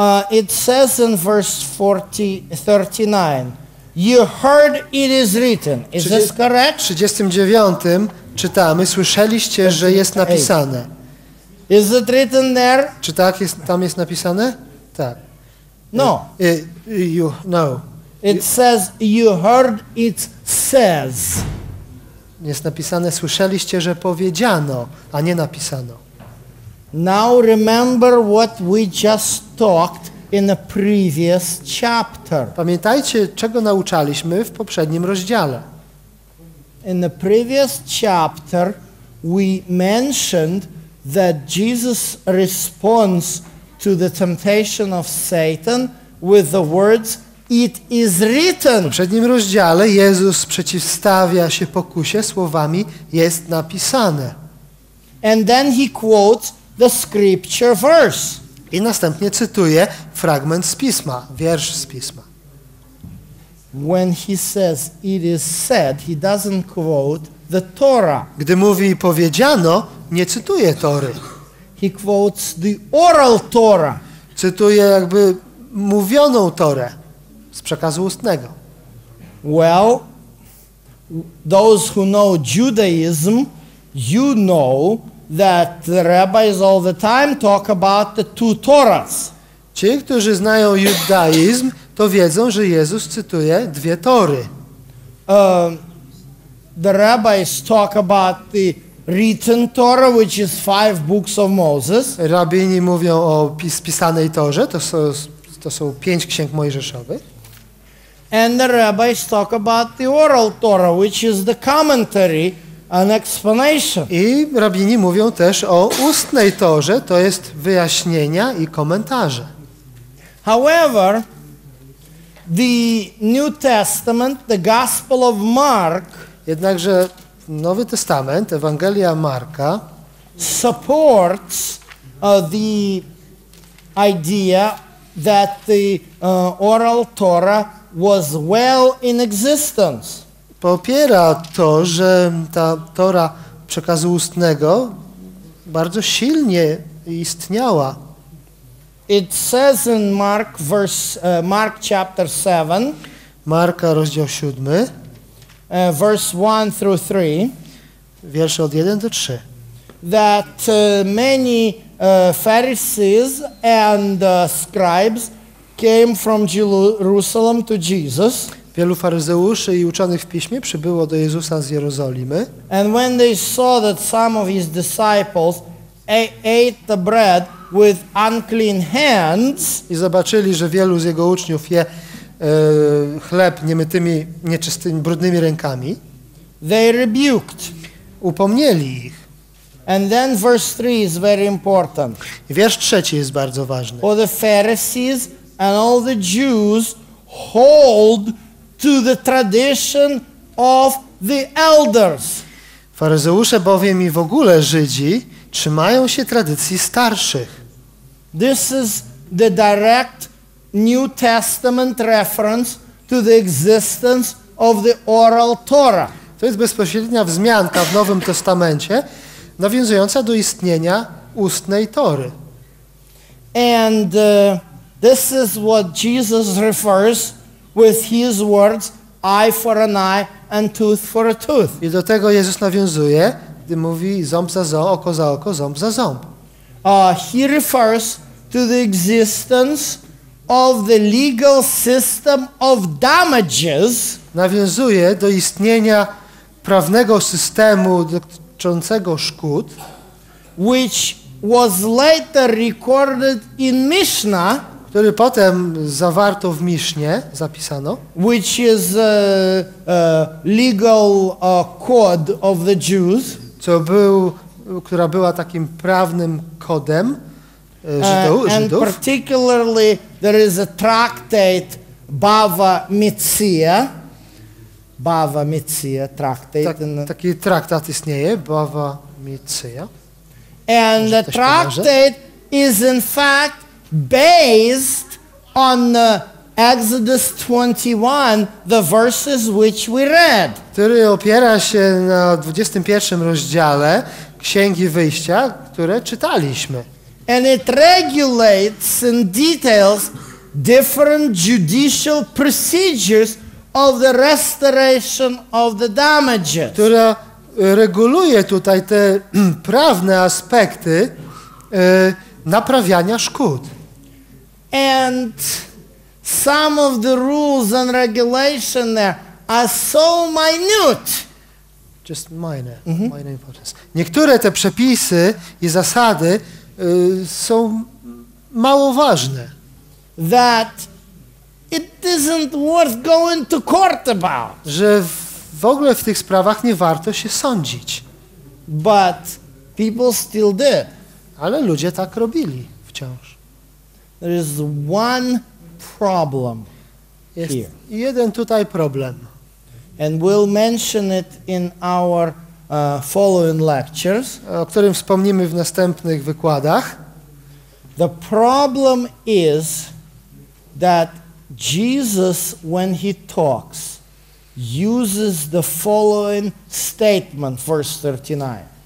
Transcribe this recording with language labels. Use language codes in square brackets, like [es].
[en] It says in verse 39. You heard it is written. Is this correct? [pl] W 39 czytamy, słyszeliście, że jest napisane. [en] Is it written there? [pl] Czy tak jest, tam jest napisane? Tak. No. No. [en] It says you heard it says. [pl] Jest napisane, słyszeliście, że powiedziano, a nie napisano. [en] Now remember what we just talked in the previous chapter. [pl] Pamiętajcie, czego nauczaliśmy w poprzednim rozdziale. [en] In the previous chapter we mentioned that Jesus responds to the temptation of Satan with the words it is written. [pl] W poprzednim rozdziale Jezus przeciwstawia się pokusie słowami jest napisane. [en] And then he quotes the scripture verse. [pl] I następnie cytuje fragment z Pisma, wiersz z Pisma. [en] When he says it is said, he doesn't quote the Torah. [pl] Gdy mówi powiedziano, nie cytuje Tory. [en] He quotes the oral Torah. [pl] Cytuje jakby mówioną Torę z przekazu ustnego. [en] Well, those who know Judaism, you know that the rabbis all the time talk about the two Torahs. [pl] Ci, którzy znają judaizm, to wiedzą, że Jezus cytuje dwie Tory. [en] The rabbis talk about the written Torah, which is five books of Moses. [pl] Rabini mówią o spisanej Torze, to są pięć księg mojżeszowych. [en] And the rabbis talk about the oral Torah, which is the commentary an explanation. [pl] I rabini mówią też o ustnej torze, to jest wyjaśnienia i komentarze. [en] However, the New Testament, the Gospel of Mark, [pl] jednakże Nowy Testament, Ewangelia Marka, [en] supports the idea that the oral Torah was well in existence. [pl] Popiera to, że ta Tora przekazu ustnego bardzo silnie istniała. [en] It says in Mark verse Mark chapter 7, [pl] Marka rozdział 7, [en] verse 1 through 3, [pl] wiersze od 1 do 3, [en] that many Pharisees and scribes came from Jerusalem to Jesus. [pl] Wielu faryzeuszy i uczonych w piśmie przybyło do Jezusa z Jerozolimy. [en] And when they saw that some of his disciples ate the bread with unclean hands, [pl] i zobaczyli, że wielu z jego uczniów je chleb niemytymi, nieczystymi, brudnymi rękami, [en] they rebuked. [pl] Upomnieli ich. [en] And then verse 3 is very important. [pl] Wiersz trzeci jest bardzo ważny. [en] For the Pharisees and all the Jews hold to the tradition of the elders. [pl] Faryzeusze bowiem i w ogóle Żydzi trzymają się tradycji starszych. [en] This is the direct New Testament reference to the existence of the oral Torah. [pl] To jest bezpośrednia wzmianka w Nowym Testamencie, nawiązująca do istnienia ustnej Tory. [en] And this is what Jesus refers with his words, eye for an eye and tooth for a tooth. [pl] I do tego Jezus nawiązuje, gdy mówi ząb za ząb, oko za oko, ząb za ząb. [en] He refers to the existence of the legal system of damages. [pl] Nawiązuje do istnienia prawnego systemu dotyczącego szkód, [en] which was later recorded in Mishnah, [pl] który potem zawarto w Misznie, zapisano, [en] which is legal code of the Jews, [pl] co był, która była takim prawnym kodem Żydów. [en] And particularly there is a tractate Bava Metzia. Bava Metzia tractate. [pl] Taki traktat istnieje, Bava Metzia. [en] And the tractate is in fact based on Exodus 21, the verses which we read. [pl] Który opiera się na 21 rozdziale Księgi Wyjścia, które czytaliśmy. [en] And it regulates in details different judicial procedures of the restoration of the damages. [pl] Która reguluje tutaj te prawne aspekty naprawiania szkód. [en] And some of the rules and regulations there are so minute. Just minor, minor importance. [pl] Niektóre te przepisy i zasady są mało ważne. [en] That it isn't worth going to court about. [pl] Że w ogóle w tych sprawach nie warto się sądzić. [en] But people still did. [pl] Ale ludzie tak robili wciąż. [en] There is one problem [pl] jest [en] here. [pl] Jeden tutaj problem. [en] And we'll mention it in our following lectures. [pl] O którym wspomnimy w następnych wykładach. [en] The problem is that Jesus, when he talks, uses the following statement, verse 39.